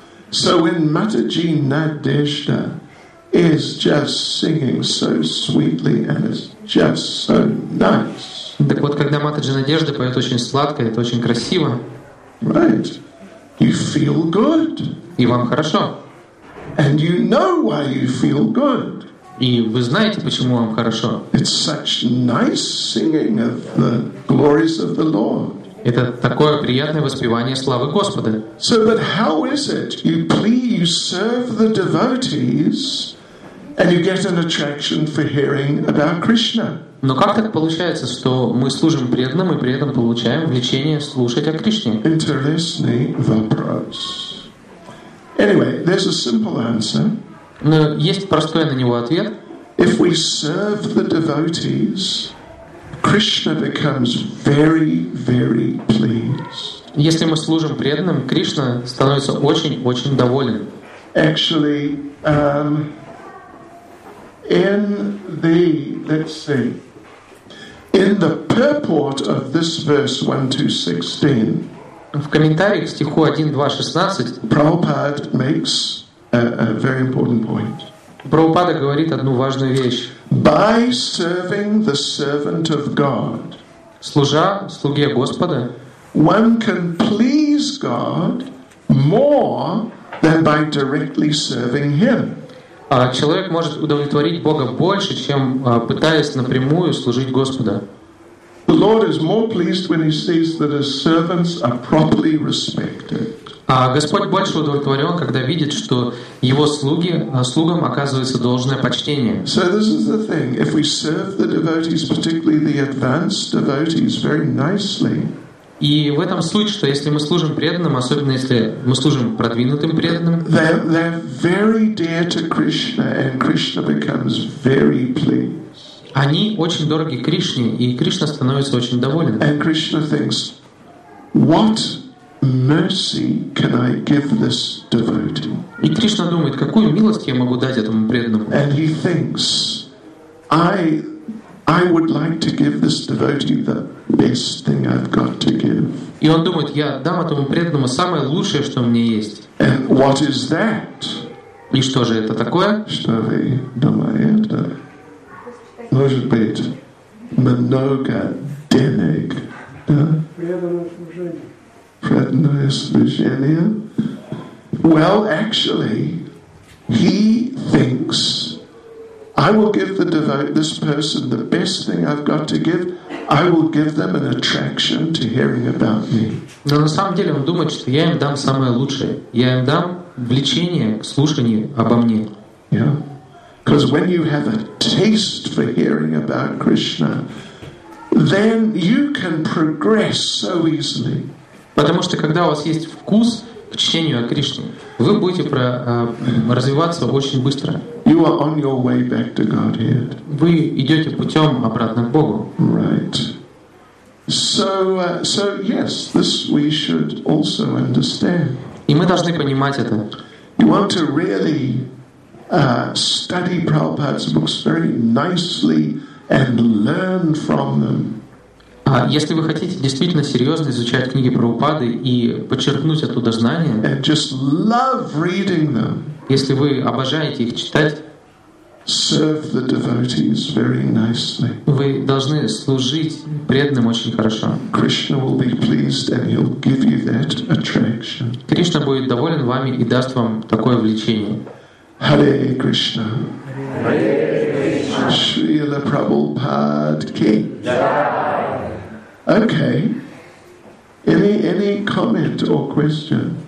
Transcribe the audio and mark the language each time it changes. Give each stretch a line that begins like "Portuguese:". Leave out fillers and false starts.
English: So when Матаджи Надежда is just singing so sweetly and is just so nice.
Russian: Так вот, когда Матаджи Надежда поет очень сладко, это очень красиво.
English: Right. You feel good.
Russian: И вам хорошо.
English: And you know why you feel good.
Russian: И вы знаете, почему вам хорошо.
English: It's such nice singing of the glories of the Lord.
Russian: Это такое приятное воспевание славы Господа.
English: So, but how is it? You please serve the devotees and you get an attraction for hearing about Krishna.
Russian: Но как так получается, что мы служим преданным и при этом получаем влечение слушать о Кришне? Интересный вопрос.
English: Anyway, there's a simple answer.
Russian: Но есть простой на него ответ.
English: If we serve the devotees, Krishna becomes very, very pleased.
Russian: Если мы служим преданным, Кришна становится очень-очень доволен.
English: actually in the, let's see, in the purport of this verse 1-16,
Russian: в комментарии к стиху 1-2-16
English: Prabhupada makes a very important point.
Russian: Прабхупада говорит одну важную вещь.
English: By serving the servant of God,
Russian: служа слуге Господа,
English: one can please God more than by directly serving Him.
Russian: Человек может удовлетворить Бога больше, чем пытаясь напрямую служить Господа.
English: The Lord is more pleased when He sees that His servants are properly respected.
Russian: А Господь больше удовлетворен, когда видит, что Его слуги, слугам оказывается должное почтение.
English: So this is the thing. If we serve the devotees, particularly the advanced devotees, very nicely.
Russian: И в этом суть, что если мы служим преданным, особенно если мы служим продвинутым преданным,
English: they're very dear to Krishna, and Krishna becomes very pleased.
Russian: Они очень дороги Кришне, и Кришна становится очень доволен.
English: And Krishna thinks, what mercy can I give this devotee?
Russian: И Кришна думает, какую милость я могу дать этому преданному?
English: And he thinks, I would like to give this devotee the best thing I've got to give.
Russian: И он думает, я дам этому преданному самое лучшее, что у меня есть.
English: And what is that?
Russian: И что же это такое? Что вы думаете? Может быть, много денег, да? Преданное служение. Преданное служение.
English: Well, actually, he thinks, I will give the devotee, this person, the best thing I've got to give. I will give them an attraction to hearing about me.
Russian: Но на самом деле он думает, что я им дам самое лучшее. Я им дам влечение к слушанию обо мне.
English: Yeah. Because when you have a taste for hearing about Krishna, then you can progress so easily.
Russian: Потому что когда у вас есть вкус к чтению о Кришне, вы будете развиваться очень быстро.
English: You are on your way back to Godhead.
Russian: Вы идете путем обратно к Богу.
English: Right. So yes, this we should also understand.
Russian: И мы должны понимать это.
English: You want to really study Prabhupada's books very nicely and learn from them.
Russian: Если вы хотите действительно серьезно изучать книги Прабхупады и подчеркнуть оттуда знания,
English: and just love reading them,
Russian: если вы обожаете их читать,
English: serve the devotees very nicely.
Russian: Вы должны служить преданным очень хорошо.
English: Krishna will be pleased and he'll give you that attraction.
Russian: Кришна будет доволен вами и даст вам такое влечение.
English: Hare Krishna. Hare Krishna. Srila Prabhupada ki. Okay. Any comment or question?